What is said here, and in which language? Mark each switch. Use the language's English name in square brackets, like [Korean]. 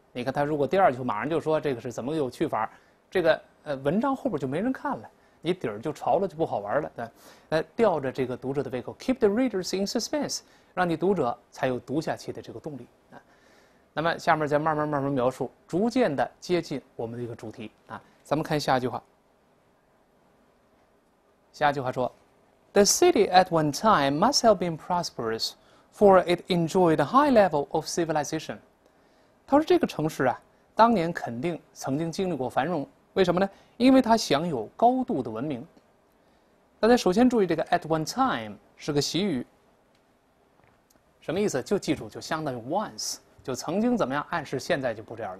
[Chinese] 你看他如果第二句马上就说这个是怎么有趣法，这个文章后边就没人看了，你底儿就潮了就不好玩了，对，吊着这个读者的胃口， [English] keep the readers in suspense， [Chinese] 让你读者才有读下去的这个动力啊。那么下面再慢慢描述，逐渐的接近我们的一个主题啊。咱们看下句话，下句话说：“ [English] The city at one time must have been prosperous, for it enjoyed a high level of civilization。 [Chinese] ”他说这个城市啊，当年肯定曾经经历过繁荣，为什么呢？因为它享有高度的文明。大家首先注意这个 [English] “at one time” [Chinese] 是个习语，什么意思？就记住，就相当于 once。就曾经怎么样，暗示现在就不这样了。